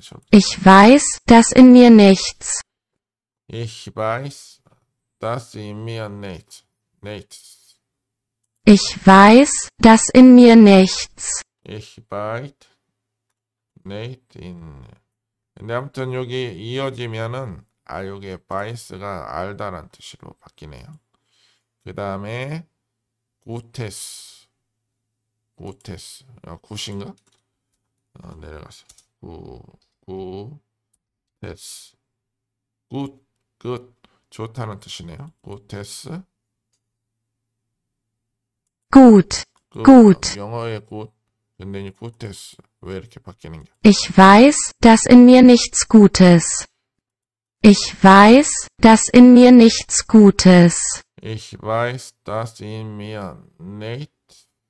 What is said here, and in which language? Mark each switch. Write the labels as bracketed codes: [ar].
[de] Ich weiß, dass in mir nichts. Ich weiß, dass in mir nichts. Nichts. Ich weiß, dass in mir nichts. Ich weiß nicht in. [ko] 근데 아무튼 여기 이어지면은 아 여기 weiß가 알다란 뜻으로 바뀌네요. 그 다음에 gutes. Gutes. 굿인가? [en] 내려가서 gutes. Good. Good. [ko] 좋다는 뜻이네요. Gutes. [de] Gut. Gut. [ko] 영어의 gut. 근데 이 gutes 왜 이렇게 바뀌는 게? [de] Ich weiß, dass in mir nichts Gutes. Ich weiß, dass in mir nichts Gutes. Ich weiß, dass in mir nichts.